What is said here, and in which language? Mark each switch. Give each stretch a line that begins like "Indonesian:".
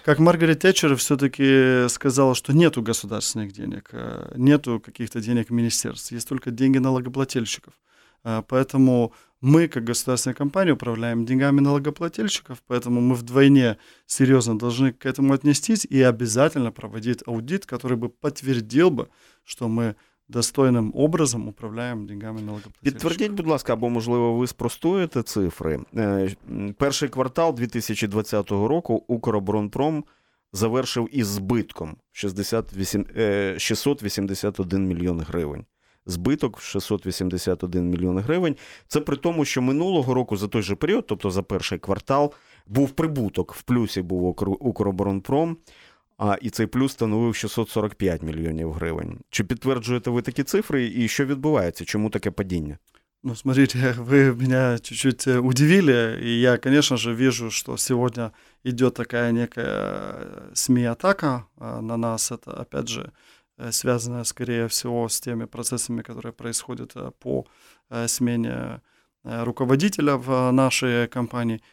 Russian: Как Маргарет Тэтчер все-таки сказала, что нету государственных денег, нету каких-то денег в министерстве, есть только деньги налогоплательщиков. Поэтому мы, как государственная компания, управляем деньгами налогоплательщиков, поэтому мы вдвойне серьезно должны к этому отнестись и обязательно проводить аудит, который бы подтвердил бы, что мы достойним образом
Ukrainian: управляємо
Russian: деньгами налогоплательщиків.
Ukrainian: Підтвердіть, будь ласка, або, можливо, ви спростуєте цифри. Перший квартал 2020 року «Укроборонпром» завершив із збитком 681 мільйон гривень. Збиток 681 мільйон гривень. Це при тому, що минулого року за той же період, тобто за перший квартал, був прибуток, в плюсі був «Укроборонпром». А і цей плюс становив 645 мільйонів гривень. Чи підтверджуєте ви такі цифри і що відбувається? Чому таке падіння?
Russian: Ну, смотрите, ви мене чуть-чуть удивили, і я, конечно же, вижу,
Ukrainian: що сьогодні йде така яка СМІ-атака на нас,
Russian: это опять же связано скорее всего с теми процессами, которые происходят по смене руководителя в нашей компании.